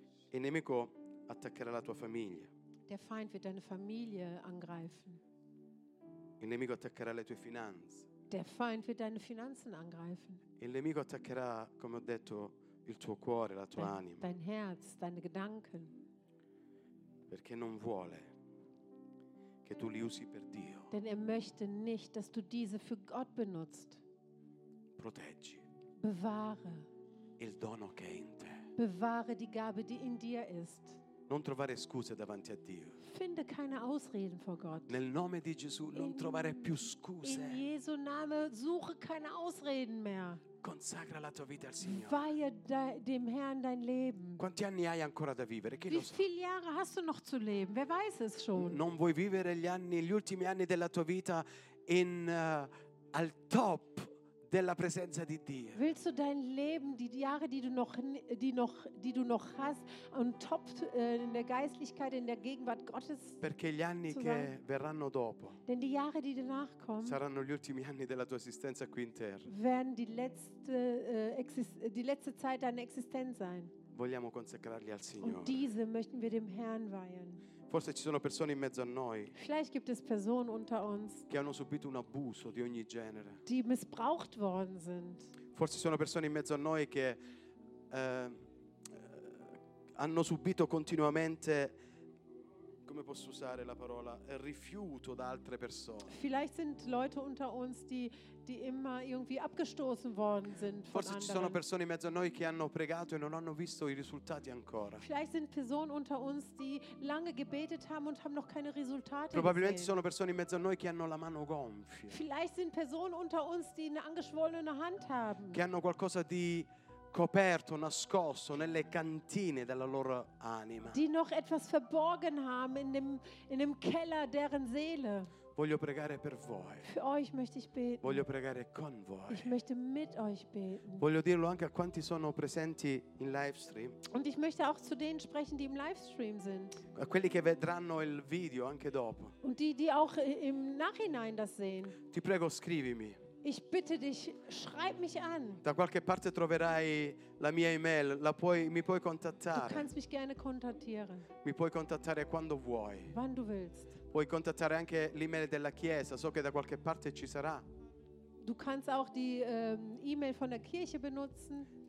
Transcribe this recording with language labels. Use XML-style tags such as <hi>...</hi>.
<it>Il nemico attaccherà la tua famiglia.</it> <de>Der Feind wird deine Familie angreifen.</de> <it>Il nemico attaccherà le tue finanze.</it> <de>Der Feind wird deine Finanzen angreifen.</de> <it>Il nemico attaccherà, come ho detto, il tuo cuore, la tua anima.</it> <de>Dein Herz, deine Gedanken.</de> <it>Perché non vuole che tu li usi per Dio.</it> <de>Denn er möchte nicht, dass du diese für Gott benutzt.</de> <it>Proteggi.</it> <de>Bewahre.</de> <it>Il dono che è in te.</it> <de>Bewahre die Gabe, die in dir ist.</de> <it>Non trovare scuse davanti a Dio.</it> <de>Finde keine Ausreden vor Gott.</de> <it>Nel nome di Gesù non trovare più scuse.</it> <de>In Jesu Name suche keine Ausreden mehr.</de> <it>Consacra la tua vita al Signore.</it> <de>Weihe dem Herrn dein Leben.</de> <it>Quanti anni hai ancora da vivere?</it> <de>Wie viele Jahre hast du noch zu leben? Wer weiß es schon?</de> <it>Non vuoi vivere gli ultimi anni della tua vita al top della presenza di Dio?</it> <de>Willst du dein Leben, die Jahre, die du noch hast, und top in der Geistlichkeit, in der Gegenwart Gottes?</de> <it>Perché gli anni che verranno dopo.</it> <de>Denn die Jahre, die danach kommen,</de> <it>saranno gli ultimi anni della tua esistenza qui in terra.</it> <de>Werden die letzte Zeit deiner Existenz sein.</de> <it>Vogliamo consacrarli al Signore.</it> <de>Und diese möchten wir dem Herrn weihen.</de> <it>Forse ci sono persone in mezzo a noi.</it> <de>Vielleicht gibt es Personen unter uns.</de> <it>Che hanno subito un abuso di ogni genere.</it> <de>Die missbraucht worden sind.</de> <it>Forse ci sono persone in mezzo a noi che hanno subito continuamente come posso usare la parola rifiuto da altre persone.</it> <de>Vielleicht sind Leute unter uns, die immer irgendwie abgestoßen worden sind.</de> <it>Forse ci sono persone in mezzo a noi che hanno pregato e non hanno visto i risultati ancora.</it> <de>Vielleicht sind Personen unter uns, die lange gebetet haben und haben noch keine Resultate.</de> <it>Probabilmente sono persone in mezzo a noi che hanno la mano gonfia.</it> <de>Vielleicht sind Personen unter uns, die eine angeschwollene Hand haben.</de> <it>Che hanno qualcosa di coperto, nascosto nelle cantine della loro anima.</it> <de>Die noch etwas verborgen haben in dem Keller deren Seele.</de> <it>Voglio pregare per voi.</it> <de>Für euch möchte ich beten.</de> <it>Voglio pregare con voi.</it> <de>Ich möchte mit euch beten.</de> <it>Voglio dirlo anche a quanti sono presenti in Livestream.</it> <de>Und ich möchte auch zu denen sprechen, die im Livestream sind.</de> <it>A quelli che vedranno il video anche dopo.</it> <de>Und die auch im Nachhinein das sehen.</de> <it>Ti prego, scrivimi.</it> <de>Ich bitte dich, schreib mich an.</de> <it>Da qualche parte troverai la mia email, mi puoi contattare.</it> <de>Du kannst mich gerne kontaktieren.</de> <it>Mi puoi contattare quando vuoi.</it> <de>Wann du willst.</de> <it>Puoi contattare anche l'email della chiesa, so che da qualche parte ci sarà.</it> <de>Du kannst auch die E-Mail von der Kirche benutzen.</de>